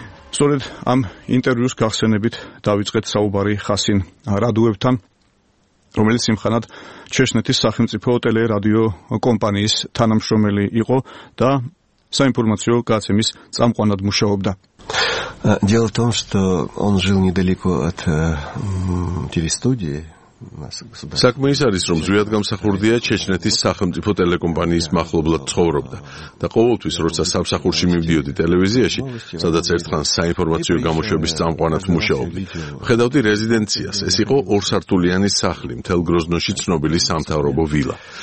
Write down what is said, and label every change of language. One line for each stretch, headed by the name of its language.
Georgian: სწორედ ამ ინტერვიუს გახსენებით დავიწყეთ საუბარი ხასინ რადუევთან, რომელიც იმხანად ჩეშნეთის სახელმწიფო ტელერადიო კომპანიის თანამშრომელი იყო და საინფორმაციო გაცემის წამყვანად მუშაობდა.
Russian: Дело в том, что он жил недалеко от телестудии.
Georgian: Сакме ის არის, რომ ზვიად გამსახურდია ჩეჩნეთის სახელმწიფო ტელეკომპანიის მახლობლად ცხოვრობდა და ყოველთვის როცა სამსახურში მივდიოდი ტელევიზიაში, სადაც ერთხან საინფორმაციო გამოშვების წამყვანად მუშაობდი. ხედავდი რეზიდენციას, ეს იყო ორსართულიანი სახლი, მთელ გროზნოში ცნობილი სამთავრობო ვილა.